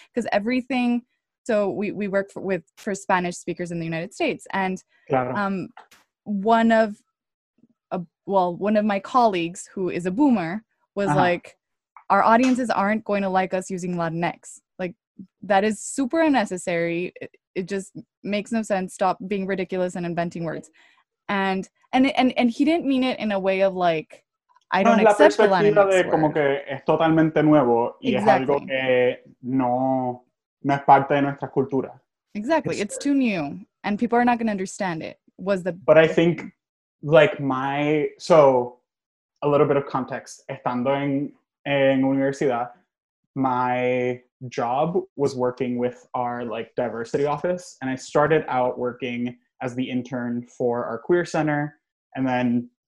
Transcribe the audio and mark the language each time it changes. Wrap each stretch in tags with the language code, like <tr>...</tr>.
<en>Because everything, so we work for Spanish speakers in the United States, and one of my colleagues who is a boomer was like, our audiences aren't going to like us using Latinx. Like, that is super unnecessary. It just makes no sense. Stop being ridiculous and inventing words. And he didn't mean it in a way of like, I don't accept the Latinx word.</en> <es>Como que es totalmente nuevo y es algo que no es parte de nuestra cultura.</es> <en>Exactly. It's too new and people are not going to understand it. But I think like so a little bit of context,</en> <es>estando en universidad,</es> <en>my job was working with our like diversity office, and I started out working as the intern for our queer center, and then</en>